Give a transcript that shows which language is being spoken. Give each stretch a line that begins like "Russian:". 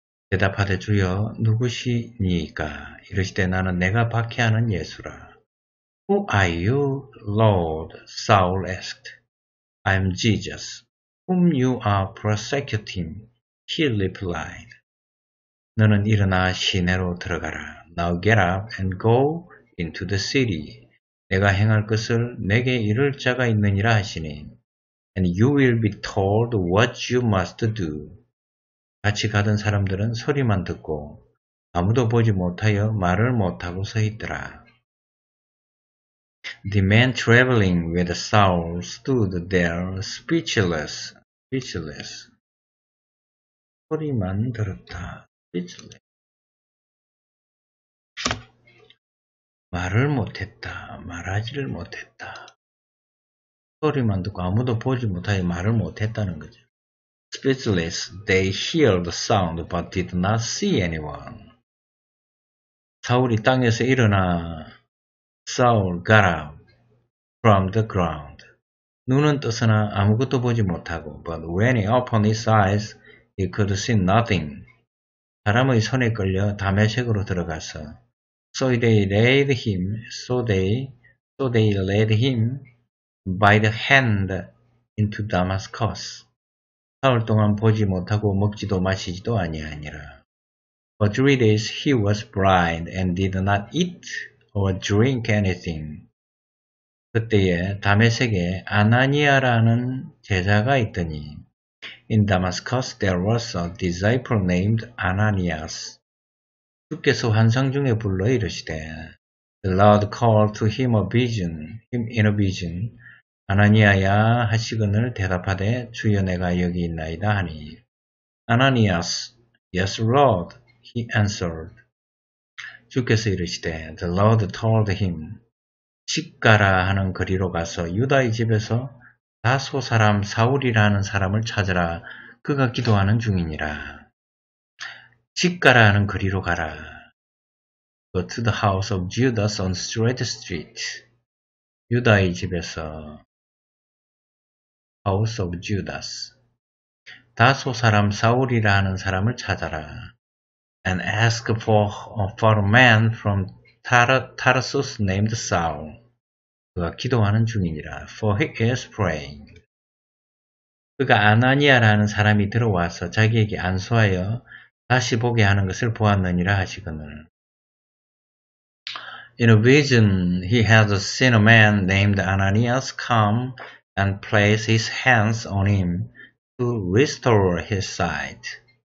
Korean: 대답하되 주여 누구시니까? 이르시되 나는 내가 박해하는 예수라.
English: Who are you, Lord? Saul asked. I am Jesus, whom you are persecuting. He replied.
Korean: 너는 일어나 시내로 들어가라.
English: Now get up and go into the city.
Korean: 내가 행할 것을 내게 이룰 자가 있느니라 하시니.
English: And you will be told what you must do.
Korean: 같이 가던 사람들은 소리만 듣고 아무도 보지 못하여 말을 못하고 서 있더라.
English: The man traveling with Saul stood there speechless.
Korean: 소리만 들었다.
English: Speechless.
Korean: 말을 못했다. 말하지를 못했다. 소리만 듣고 아무도 보지 못하니 말을 못했다는 거죠.
English: Speechless, they hear the sound but did not see anyone.
Korean: 사울이 땅에서 일어나
English: Saul got up from the ground.
Korean: 눈은 떠서나 아무것도 보지 못하고
English: but when he opened his eyes, he could see nothing.
Korean: 사람의 손에 끌려 다메섹으로 들어가서
English: so they led him by the hand into Damascus.
Korean: 사흘 동안 보지 못하고 먹지도 마시지도 아니하니라.
English: For 3 days he was blind and did not eat or drink anything.
Korean: 그때에 다메섹에 아나니아라는 제자가 있더니
English: In Damascus there was a disciple named Ananias.
Korean: 주께서 환상 중에 불러 이르시되
English: The Lord called to him in a vision.
Korean: 아나니아야 하시거늘 대답하되 주여 내가 여기 있나이다 하니
English: Ananias, yes Lord, he answered.
Korean: 주께서 이르시되
English: The Lord told him,
Korean: 직가라 하는 거리로 가서 유다의 집에서 다소 사람 사울이라는 사람을 찾으라. 그가 기도하는 중이니라. 직가라 하는 거리로 가라.
English: Go to the house of Judas on Straight Street.
Korean: 유다의 집에서
English: House of Judas.
Korean: 다소 사람 사울이라는 사람을 찾아라.
English: And ask for a man from Tarsus named Saul.
Korean: 그가 기도하는 중이니라.
English: For he is praying.
Korean: 그가 아나니아라는 사람이 들어와서 자기에게 안수하여 다시 보게 하는 것을 보았느니라 하시거늘.
English: In a vision, he had seen a man named Ananias come and place his hands on him to restore his sight.